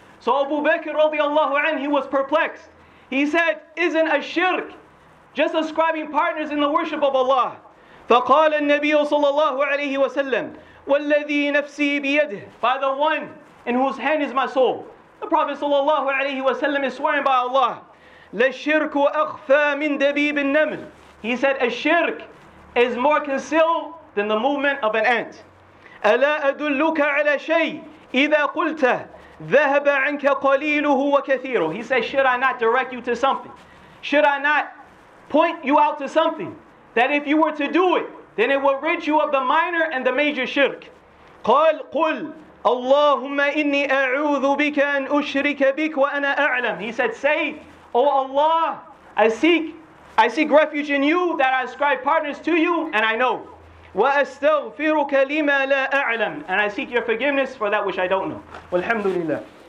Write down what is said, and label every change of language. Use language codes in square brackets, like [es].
[en] So Abu Bakr radiallahu anhu, he was perplexed. He said, isn't a shirk just ascribing partners in the worship of Allah? [ar] فَقَالَ النَّبِيُّ صَلَّى اللَّهُ عَلَيْهِ وَسَلَّمْ والذي نفسي بيده. [en] By the one in whose hand is my soul. The Prophet sallallahu alayhi wa sallam is swearing by Allah. [ar] للشرك أخفى من دبيب النمل. [en] He said, a shirk is more concealed than the movement of an ant. [ar] ألا أدلك على شيء إذا قلت ذهب عنك قليله وكثيره. [en] He said, should I not direct you to something? Should I not point you out to something that if you were to do it, then it will rid you of the minor and the major shirk? [ar] قال قل اللهم إني أعوذ بك أن أشرك بك وأنا أعلم. [en] He said, say, O Allah, I seek refuge in you, that I ascribe partners to you, and I know. [ar] وَأَسْتَغْفِرُكَ لِمَا لَا أَعْلَمُ. [en] And I seek your forgiveness for that which I don't know. [ar] وَالْحَمْدُ لِلَّهِ.